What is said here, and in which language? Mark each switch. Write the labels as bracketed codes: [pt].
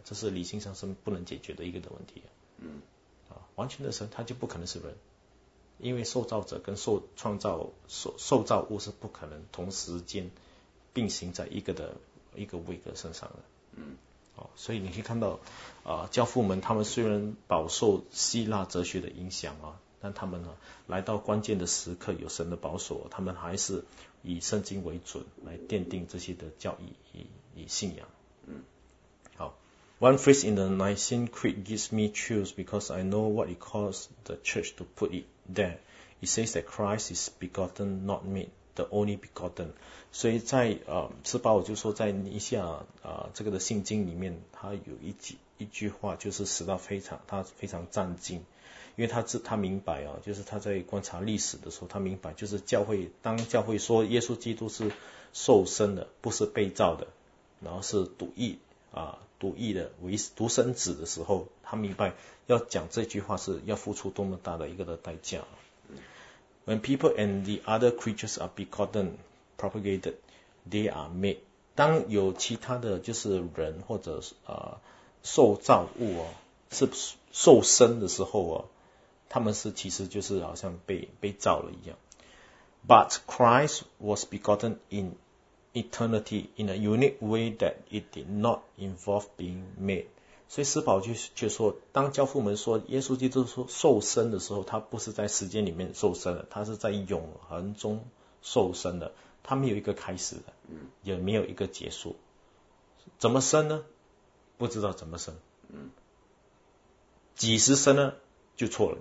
[zh] 这是理性上是不能解决的一个的问题。完全的神他就不可能是人，因为受造者跟受造物是不可能同时间并行在一个位格身上的。所以你可以看到教父们他们虽然饱受希腊哲学的影响啊，但他们来到关键的时刻有神的保守，他们还是以圣经为准来奠定这些的教义与信仰。 [en] 好， One phrase in the Nicene Creed gives me chills because I know what it caused the church to put it there. It says that Christ is begotten, not made, the only begotten. [zh] 所以在四八五就说在尼西亚这个的信经里面，他有一句话就是使到他非常震惊。因为他明白啊，就是他在观察历史的时候，他明白就是教会，当教会说耶稣基督是受生的，不是被造的，然后是独一的为独生子的时候，他明白要讲这句话是要付出多么大的一个的代价。 [en] When people and the other creatures are begotten, propagated, they are made. [zh] 当有其他的就是人或者受造物哦，是受生的时候哦。他们是其实就是好像被造了一样。 [en] But Christ was begotten in eternity in a unique way that it did not involve being made. [zh] 所以司宝就说，当教父们说耶稣基督受生的时候，他不是在时间里面受生的，他是在永恒中受生的，他没有一个开始的，也没有一个结束。怎么生呢？不知道怎么生。几时生呢？就错了。